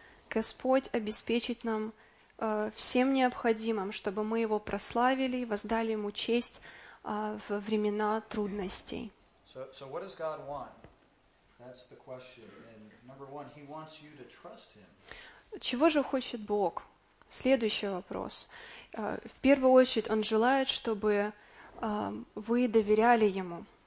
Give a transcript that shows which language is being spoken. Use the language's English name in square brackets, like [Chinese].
[Russian] Господь обеспечит нам всем необходимым, чтобы мы Его прославили и воздали Ему честь во времена трудностей. [English] So what does God want? That's the question. And number one, He wants you to trust Him. [Russian] Чего же хочет Бог? Следующий вопрос. В первую очередь Он желает, чтобы вы доверяли Ему.